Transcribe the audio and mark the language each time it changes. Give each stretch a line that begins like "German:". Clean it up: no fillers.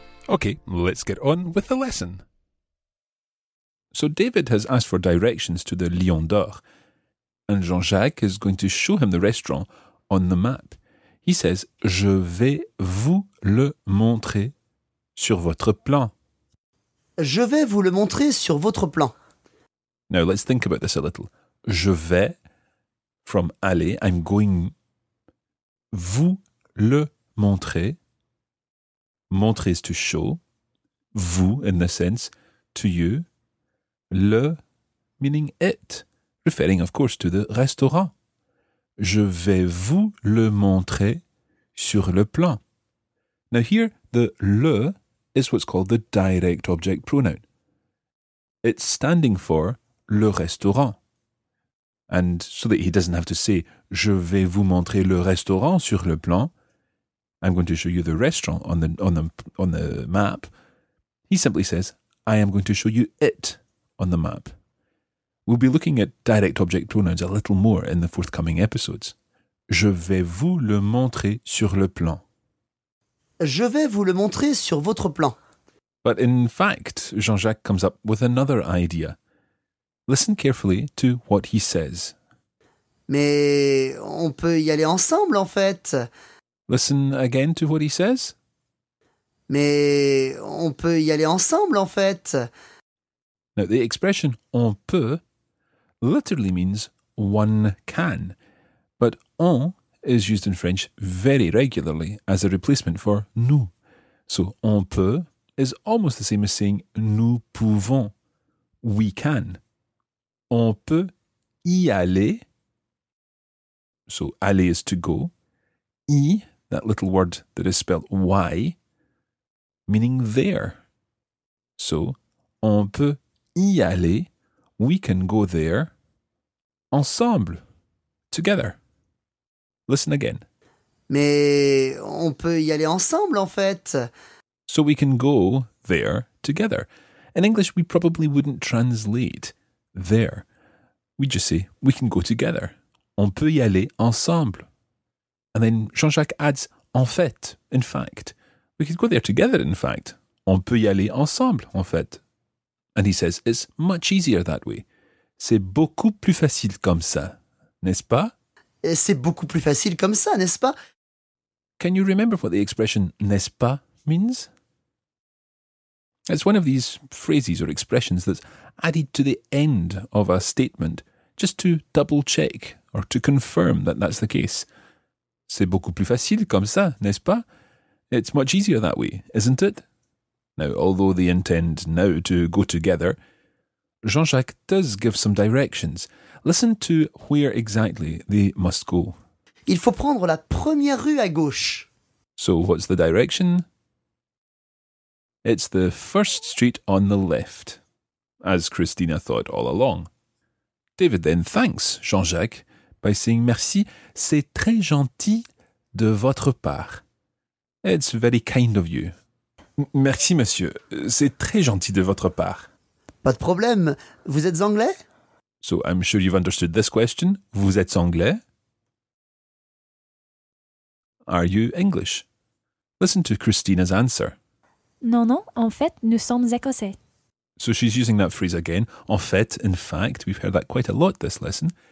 English: Okay, let's get on with the lesson. So David has asked for directions to the Lion d'Or, and Jean-Jacques is going to show him the restaurant on the map. He says,
French: je vais vous le montrer sur votre plan. Je vais vous le montrer sur votre plan.
English: Now let's think about this a little.
French: Je vais,
English: from
French: aller,
English: I'm going,
French: vous le montrer.
English: Montrer is to show, vous in the sense, to you, le meaning it, referring of course to the restaurant.
French: Je vais vous le montrer sur le plan.
English: Now here, the le is what's called the direct object pronoun. It's standing for le restaurant. And so that he doesn't have to say,
French: je vais vous montrer le restaurant sur le plan,
English: I'm going to show you the restaurant on the map. He simply says, I am going to show you it on the map. We'll be looking at direct object pronouns a little more in the forthcoming episodes.
French: Je vais vous le montrer sur le plan. Je vais vous le montrer sur votre plan.
English: But in fact, Jean-Jacques comes up with another idea. Listen carefully to what he says.
French: Mais on peut y aller ensemble, en fait.
English: Listen again to what he says.
French: Mais on peut y aller ensemble, en fait.
English: Now, the expression
French: on peut
English: literally means one can. But on is used in French very regularly as a replacement for nous. So
French: on peut
English: is almost the same as saying
French: nous pouvons,
English: we can.
French: On peut y aller.
English: So
French: aller
English: is to go. Y, that little word that is spelled Y, meaning there. So,
French: on peut y aller,
English: we can go there, ensemble, together. Listen again.
French: Mais on peut y aller ensemble, en fait.
English: So we can go there together. In English, we probably wouldn't translate there. We just say, we can go together.
French: On peut y aller ensemble.
English: And then Jean-Jacques adds,
French: en fait,
English: in fact. We could go there together, in fact.
French: On peut y aller ensemble, en fait.
English: And he says, it's much easier that way.
French: C'est beaucoup plus facile comme ça, n'est-ce pas? C'est beaucoup plus facile comme ça, n'est-ce pas?
English: Can you remember what the expression n'est-ce pas means? It's one of these phrases or expressions that's added to the end of a statement just to double-check or to confirm that that's the case.
French: C'est beaucoup plus facile comme ça, n'est-ce pas?
English: It's much easier that way, isn't it? Now, although they intend now to go together, Jean-Jacques does give some directions. Listen to where exactly they must go.
French: Il faut prendre la première rue à gauche.
English: So, what's the direction? It's the first street on the left, as Christina thought all along. David then thanks Jean-Jacques by saying,
French: merci, c'est très gentil de votre part.
English: It's very kind of you.
French: Merci, monsieur, c'est très gentil de votre part. Pas de problème, vous êtes anglais?
English: So I'm sure you've understood this question.
French: Vous êtes anglais?
English: Are you English? Listen to Christina's answer.
French: Non, non, en fait, nous sommes écossais.
English: So she's using that phrase again.
French: En fait,
English: in fact, we've heard that quite a lot this lesson.